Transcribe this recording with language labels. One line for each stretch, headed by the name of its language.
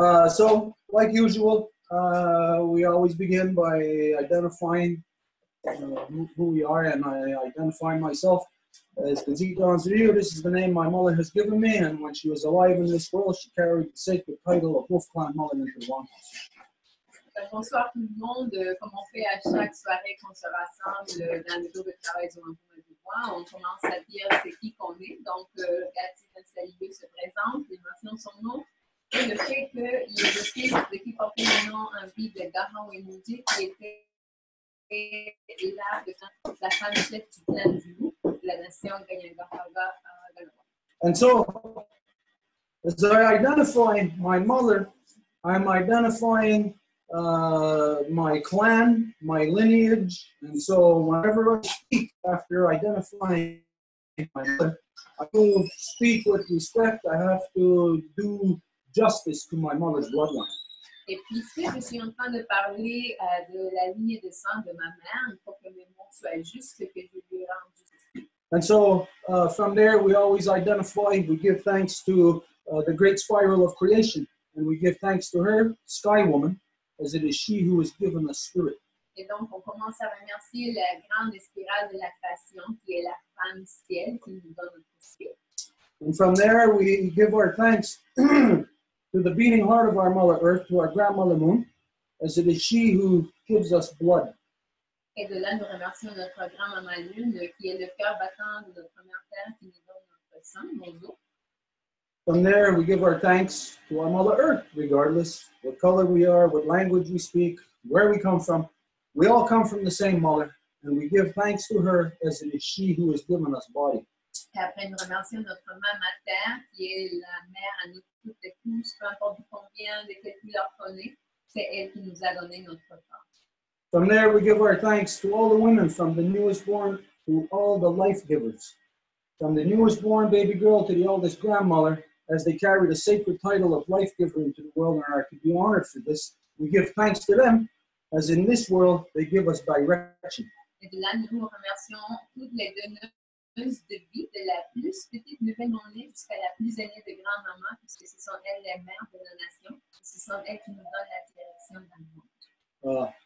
English: So, like usual, we always begin by identifying who we are, and I identify myself as Kazikans Ryu. This is the name my mother has given me, and when she was alive in this world, she carried the sacred title of Wolf Clan Mother into the Wampum.
French: Bonsoir tout le monde. Comme on fait à chaque soirée qu'on se rassemble dans le groupe de travail du Wampum et du Bois, on commence à dire c'est qui qu'on est. Donc, Gatine Salibu se présente, il mentionne son nom. Et le fait qu'il est le fils de qui portait le nom en vie de Garan Wemudi, qui était là de la femme chef du clan du loup, de la nation Ganyangapaga Galois.
English: And so, as I identify my mother, I'm identifying my clan, my lineage, and so whenever I speak after identifying my mother, I will speak with respect. I have to do justice to my mother's bloodline.
French: Et puis si je suis en train de parler de la lignée de sang de ma mère, il faut que mes mots soient justes et que je lui rende justice.
English: And so from there, we always identify. We give thanks to the great spiral of creation, and we give thanks to her, Sky Woman. As it is she who has given us spirit.
French: Et donc, on commence à remercier la grande spirale de la création, qui est la femme ciel, qui nous donne notre esprit.
English: And from there, we give our thanks to the beating heart of our mother earth, to our grandmother moon, as it is she who gives us blood.
French: Et de là, nous remercions notre grand-maman lune, qui est le cœur battant de notre première terre, qui nous donne notre sang, nos os.
English: From there, we give our thanks to our Mother Earth, regardless what color we are, what language we speak, where we come from. We all come from the same Mother, and we give thanks to her as it is she who has given us body.
French: Après, nous remercions notre Mama Terre, qui est la mère à nous toutes et tous, peu importe combien de couleurs qu'on est, c'est elle qui nous a donné notre corps.
English: From there, we give our thanks to all the women, from the newest born to all the life givers. From the newest born baby girl to the oldest grandmother, as they carry the sacred title of life giver into the world and are to be honored for this, we give thanks to them, as in this world they give us direction.
French: Et de là, nous remercions toutes les donneuses de vie, de la plus petite nouvelle née jusqu'à la plus aînée de grand-maman, puisque ce sont elles les mères de la nation, et ce sont elles qui nous donnent la direction dans le monde.